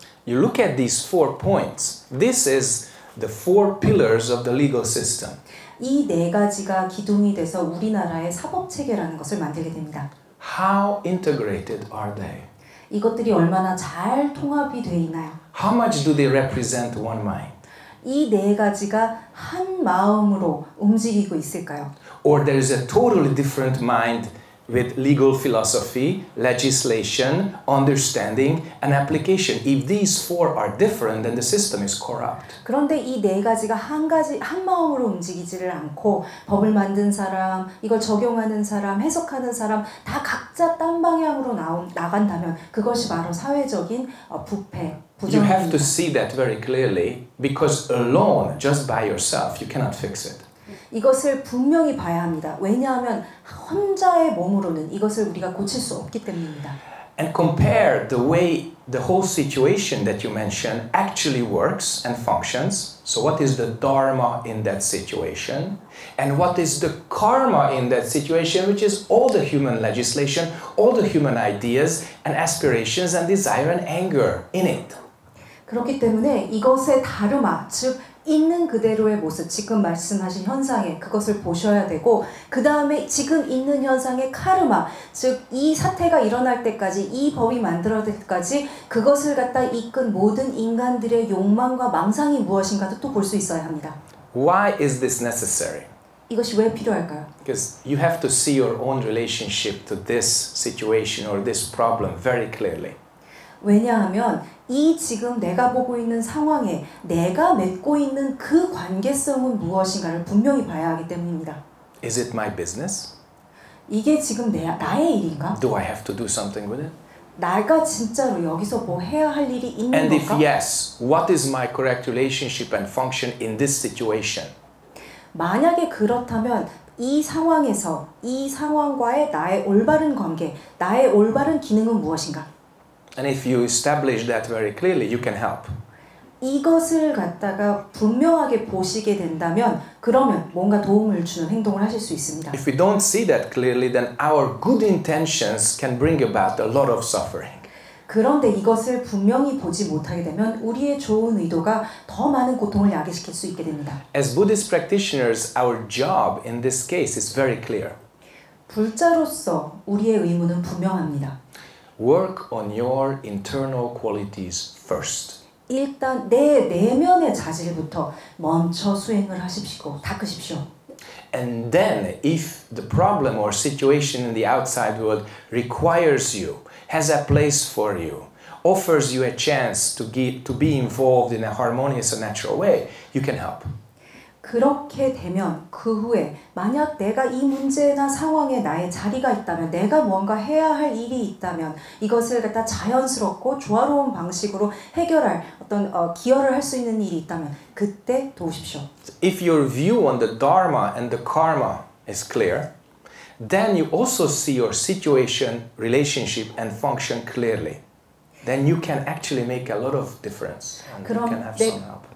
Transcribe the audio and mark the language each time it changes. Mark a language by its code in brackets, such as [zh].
[en] You look at these four points. This is the four pillars of the legal system. [ko] 이 네 가지가 기둥이 돼서 우리나라의 사법 체계라는 것을 만들게 됩니다. [en] How integrated are they? [ko] 이것들이 얼마나 잘 통합이 돼 있나요? [en] How much do they represent one mind? [ko] 이 네 가지가 한 마음으로 움직이고 있을까요? [en] Or there is a totally different mind with legal philosophy, legislation, understanding, and application. If these four are different, then the system is corrupt. [ko] 그런데 이 네 가지가 한 가지 한 마음으로 움직이지를 않고 법을 만든 사람, 이걸 적용하는 사람, 해석하는 사람 다 각자 딴 방향으로 나간다면 그것이 바로 사회적인 부패. [en] You have to see that very clearly because alone, just by yourself, you cannot fix it. [ko] 이것을 분명히 봐야 합니다. 왜냐하면 혼자의 몸으로는 이것을 우리가 고칠 수 없기 때문입니다. [en] And compare the way the whole situation that you mentioned actually works and functions. So what is the dharma in that situation? And what is the karma in that situation, which is all the human legislation, all the human ideas and aspirations and desire and anger in it. [ko] 그렇기 때문에 이것의 다르마, 즉 있는 그대로의 모습, 지금 말씀하신 현상에 그것을 보셔야 되고 그 다음에 지금 있는 현상의 카르마, 즉 이 사태가 일어날 때까지, 이 법이 만들어질 때까지 그것을 갖다 이끈 모든 인간들의 욕망과 망상이 무엇인가도 또 볼 수 있어야 합니다. [en] Why is this necessary? [ko] 이것이 왜 필요할까요? [en] Because you have to see your own relationship to this situation or this problem very clearly. [ko] 왜냐하면 이 지금 내가 보고 있는 상황에 내가 맺고 있는 그 관계성은 무엇인가를 분명히 봐야 하기 때문입니다. [en] Is it my business? [ko] 이게 지금 나의 일인가? [en] Do I have to do something with it? [ko] 내가 진짜로 여기서 뭐 해야 할 일이 있는 and 건가? [en] And if yes, what is my correct relationship and function in this situation? [ko] 만약에 그렇다면 이 상황에서 이 상황과의 나의 올바른 관계, 나의 올바른 기능은 무엇인가? [en] And if you establish that very clearly, you can help. [ko] 이것을 갖다가 분명하게 보시게 된다면 그러면 뭔가 도움을 주는 행동을 하실 수 있습니다. [en] If we don't see that clearly, then our good intentions can bring about a lot of suffering. [ko] 그런데 이것을 분명히 보지 못하게 되면 우리의 좋은 의도가 더 많은 고통을 야기시킬 수 있게 됩니다. [en] As Buddhist practitioners, our job in this case is very clear. [ko] 불자로서 우리의 의무는 분명합니다. [en] Work on your internal qualities first. [ko] 일단 내 내면의 자질부터 멈춰 수행을 하십시오. 닦으십시오. [en] And then if the problem or situation in the outside world requires you, has a place for you, offers you a chance to be involved in a harmonious and natural way, you can help. [ko] 그렇게 되면 그 후에 만약 내가 이 문제나 상황에 나의 자리가 있다면 내가 뭔가 해야 할 일이 있다면 이것을 갖다 자연스럽고 조화로운 방식으로 해결할 어떤 기여를 할 수 있는 일이 있다면 그때 도우십시오. [en] If your view on the dharma and the karma is clear, then you also see your situation, relationship and function clearly. Then you can actually make a lot of difference and you can have some help.